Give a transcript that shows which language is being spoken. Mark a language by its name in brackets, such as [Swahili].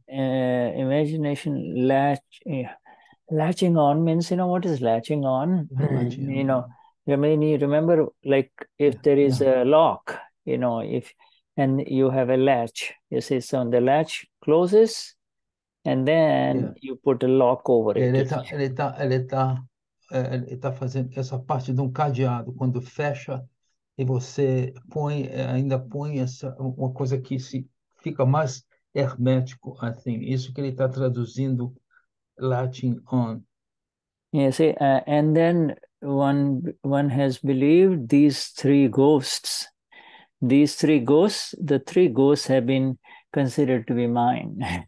[English] Imagination latching on means, you know, what is latching on? You know, I mean, you remember, like, if there is a lock, you know, if and you have a latch, you see, so the latch closes, and then you put a lock over it. [Portuguese] Ele tá fazendo essa parte de cadeado, quando fecha, e você põe, ainda põe essa, uma coisa que se fica mais hermético, assim, isso que ele está traduzindo, [English] latching on. You see, and then one has believed these three ghosts, the three ghosts have been considered to be mine.